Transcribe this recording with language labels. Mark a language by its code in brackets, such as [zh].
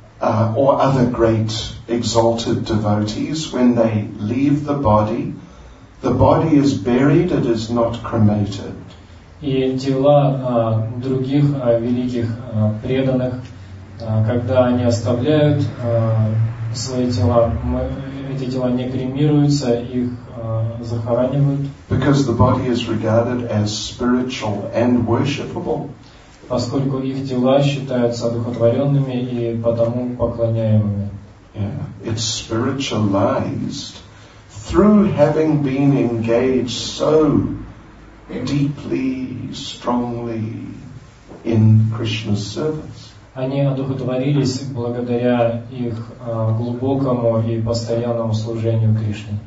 [en] Or other great exalted devotees, when they leave the body is buried, it is not cremated. [ru] И тела других великих преданных, когда они оставляют свои тела, эти тела не кремируются, их захоранивают. [en] Because the body is regarded as spiritual and worshipable. [ru] Поскольку их тела считаются одухотворенными и потому поклоняемыми. [en] Yeah. It's spiritualized through having been engaged so deeply, strongly in Krishna's service. [ru] Они одухотворились благодаря их глубокому и постоянному служению Кришне.